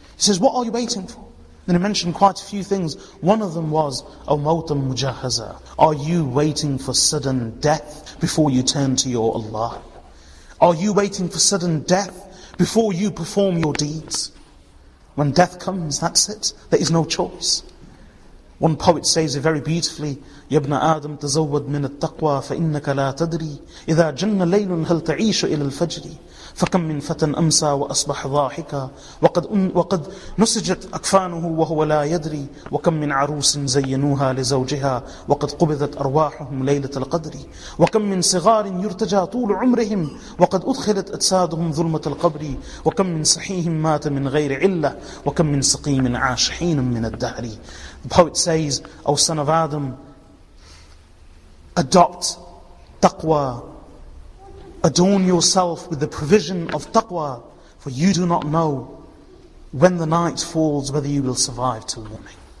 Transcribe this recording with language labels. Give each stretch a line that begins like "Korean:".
English: He says, what are you waiting for? Then he mentioned quite a few things. One of them was,
Arabic: أَوْ مَوْتًا مُجَهَزًا.
English: Are you waiting for sudden death before you turn to your Allah? Are you waiting for sudden death before you perform your deeds? When death comes, that's it. There is no choice. One poet says it very beautifully,
Arabic: يَبْنَ آدَمْ تَزَوَّدْ مِنَ التَّقْوَى فَإِنَّكَ لَا تَدْرِي إِذَا جَنَّ لَيْلٌ هَلْ تَعِيشُ إِلَى الْفَجْرِ فكم من فتى أمسى وأصبح ضاحكا وقد نسجت أكفانه وهو لا يدري وكم من عروس زينوها لزوجها وقد قبضت أرواحهم ليلة القدر وكم من صغار يرتجى طول عمرهم وقد أدخلت أجسادهم ظلمة القبر وكم من صحيح مات من غير علة وكم من سقيم عاش حين من الدهر.
English: The poet says, O son of Adam, adopt taqwa. Adorn yourself with the provision of taqwa, for you do not know when the night falls whether you will survive till morning.